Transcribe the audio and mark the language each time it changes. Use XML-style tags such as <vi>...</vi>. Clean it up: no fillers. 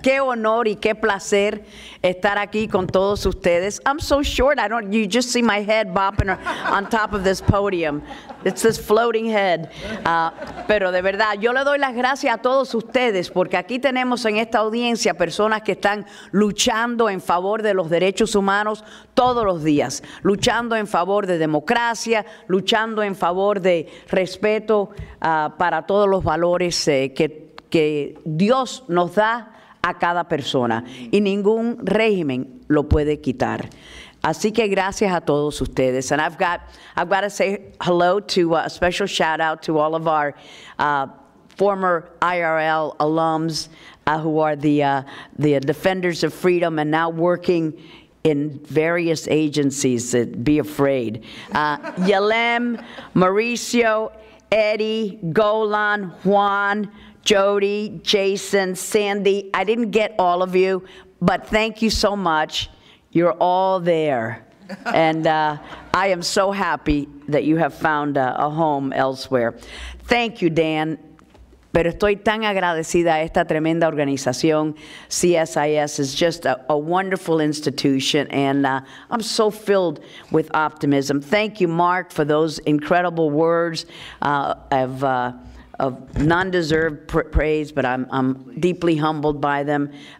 <es>Qué honor y qué placer estar aquí con todos ustedes.</es> <en>I'm so short. You just see my head bopping on top of this podium. It's this floating head.</en> <es>Pero de verdad, yo le doy las gracias a todos ustedes porque aquí tenemos en esta audiencia personas que están luchando en favor de los derechos humanos todos los días, luchando en favor de democracia, luchando en favor de respeto para todos los valores que Dios nos da a cada persona y ningún régimen lo puede quitar. Así que gracias a todos ustedes.</es> <en>And I've got to say hello to a special shout out to all of our former IRL alums who are the defenders of freedom and now working in various agencies that be afraid. Yalem, Mauricio, Eddie, Golan, Juan, Jody, Jason, Sandy, I didn't get all of you, but thank you so much. You're all there. And I am so happy that you have found a home elsewhere. Thank you, Dan.</en> <es>Pero estoy tan agradecida a esta tremenda organización.</es> <en>CSIS is just a wonderful institution, and I'm so filled with optimism. Thank you, Mark, for those incredible words of non-deserved praise, but I'm deeply humbled by them.</en>